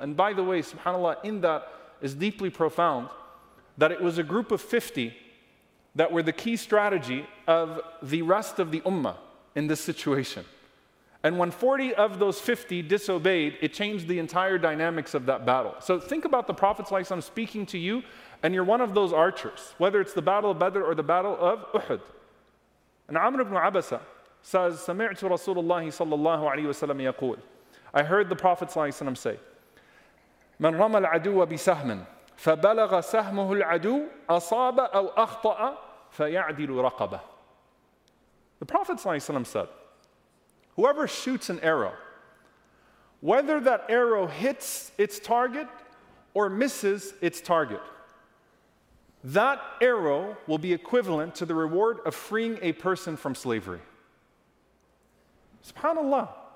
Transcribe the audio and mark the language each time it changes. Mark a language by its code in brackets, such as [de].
[en] And by the way, subhanAllah, in that is deeply profound, that it was a group of 50 that were the key strategy of the rest of the ummah in this situation. And when 40 of those 50 disobeyed, it changed the entire dynamics of that battle. So think about the Prophet ﷺ speaking to you, and you're one of those archers, whether it's the Battle of Badr or the Battle of Uhud. [ar] And Amr ibn Abasa says, سَمِعْتُ رَسُولَ اللَّهِ صَلَّى اللَّهُ عَلَيْهِ وَسَلَّمَ يَقُولُ, [en] I heard the Prophet ﷺ say, [ar] مَنْ رَمَى الْعَدُوَ بِسَهْمٍ فَبَلَغَ سَهْمُهُ الْعَدُوَ أَصَابَ أَوْ أَخْطَأَ فَيَعْدِلُ رَقَبَهُ. [en] The Prophet ﷺ said, whoever shoots an arrow, whether that arrow hits its target or misses its target, that arrow will be equivalent to the reward of freeing a person from slavery. SubhanAllah.